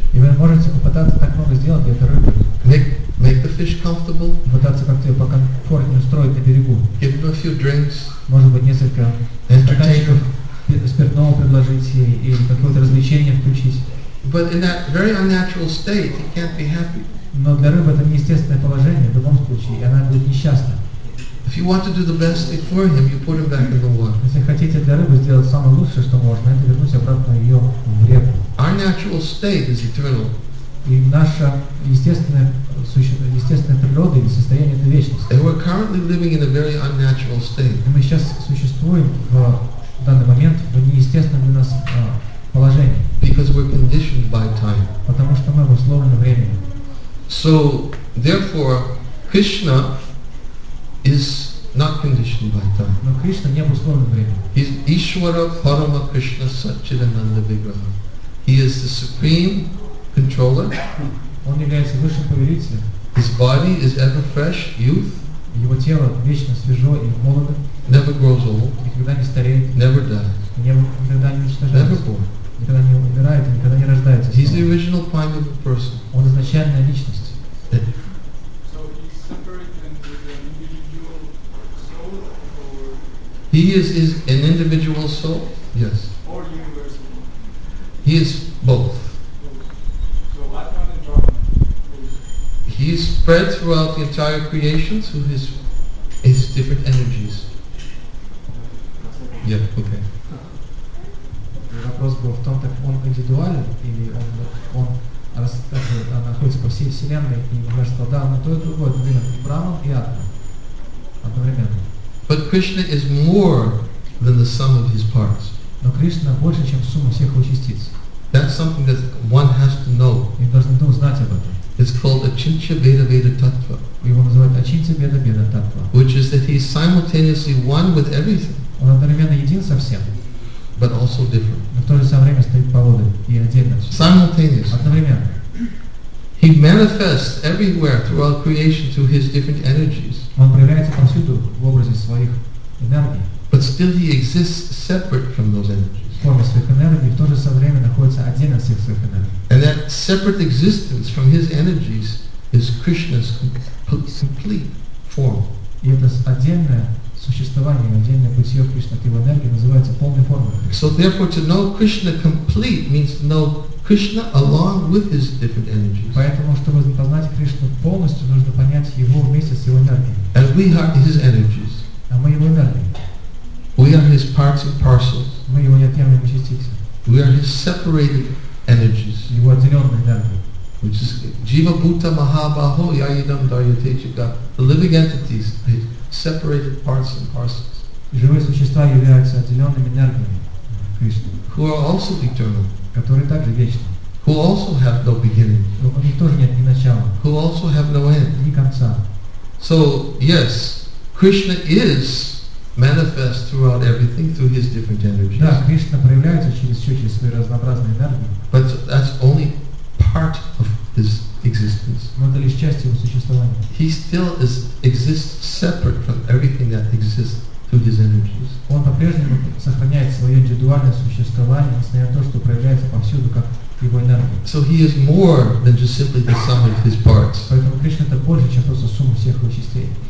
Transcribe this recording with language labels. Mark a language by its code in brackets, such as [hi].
[ru] И вы можете попытаться так много сделать для этой рыбы. [en] Make the fish comfortable. [ru] Пытаться как-то ее покомфортнее устроить на берегу. [en] Give them a few drinks. [ru] Может быть несколько стаканчиков спиртного предложить ей или какое-то развлечение включить. [en] But in that very unnatural state, he can't be happy. [ru] Но для рыбы это неестественное положение в любом случае, и она будет несчастна. [en] If you want to do the best thing for him, you put him back in the water. [ru] Если хотите для рыбы сделать самое лучшее, что можно, это вернуть обратно ее в реку. [en] Our natural state is eternal. [ru] И наша естественная природа или состояние это вечность. [en] And we're currently living in a very unnatural state. [ru] И мы сейчас существуем в данный момент в неестественном для нас положении. [en] Because we're conditioned by time. [ru] Потому что мы обусловлены временем. [en] So, therefore, Krishna is not conditioned by time. [ru] Но Кришна не обусловлен временем. [en] He's [sa] Ishvara Parama Krishna Satchidananda Vigraha. [en] He is the supreme controller. [ru] Он является высшим повелителем. [en] His body is ever fresh, youth. [ru] Его тело вечно свежо и молодо. [en] Never grows old. [ru] Никогда не стареет. [en] Never dies. [ru] Никогда не уничтожается. [en] Never born. [ru] Никогда не умирает, никогда не рождается. [en] He's the original prime of a person. [ru] Он изначальная личность. [en] So he's separate and individual soul or he is an individual soul? Yes. Or universal. He is both. So Atman and Brahman. He is spread throughout the entire creation through his different energies. Yeah, okay. [ru] Вопрос был в том, так он индивидуален или он находится по всей Вселенной и может сказать, да, но то и другое, одновременно, Браман и Атма, одновременно. [en] But Krishna is more than the sum of his parts. [ru] Но Кришна больше, чем сумма всех его частиц. [en] That's something that one has to know. [ru] И должен кто знать об этом. [en] It's called Achintya Bheda Bheda Tattva. [ru] Его называют Achintya Bheda Bheda Tattva. [en] Which is that he is simultaneously one with everything. [ru] Он одновременно един со всем. [en] But also different. [ru] Но в то же самое время стоит повода и отдельно. [en] Simultaneous. [ru] Одновременно. [en] He manifests everywhere throughout creation through his different energies. [ru] Он проявляется повсюду в образе своих энергий. [en] But still he exists separate from those energies. [ru] В форме своих энергий, в то же самое время находится отдельно от всех своих энергий. [en] And that separate existence from his energies is Krishna's complete form. [ru] И это отдельное существование, отдельное бытие Кришны от его энергии называется полной формой. [en] So therefore to know Krishna complete means to know Krishna along with his different energies. [ru] Поэтому, чтобы познать Кришну полностью, нужно понять его вместе с его энергией. [en] And we are his energies. [ru] А мы его энергии. [en] We are his parts and parcels. [ru] Мы его неотъемлемые частицы. [en] We are his separated energies. [ru] Его отделенные энергии. [en] Which is [sa] Jiva Bhuta Mahabaho Yayidam Daryate Chika. [en] The living entities. Separated parts and parcels. [ru] Живые существа являются отделенными энергиями Кришны. [en] Who are also eternal. [ru] Которые также вечны. [en] Who also have no beginning. [ru] У них тоже нет ни начала. [en] Who also have no end. [ru] Ни конца. [en] So, yes, Krishna is manifest throughout everything through his different energies. [ru] Да, Кришна проявляется через все, через свои разнообразные энергии. [en] But that's only part of his existence. [ru] Но это лишь часть его существования. [en] He still exists separate from everything that exists through his energies. [ru] Он по-прежнему сохраняет свое индивидуальное существование, несмотря на то, что проявляется повсюду как его энергии. [en] So he is more than just simply the sum of his parts. [ru] Поэтому Кришна это больше, чем просто сумма всех его частей.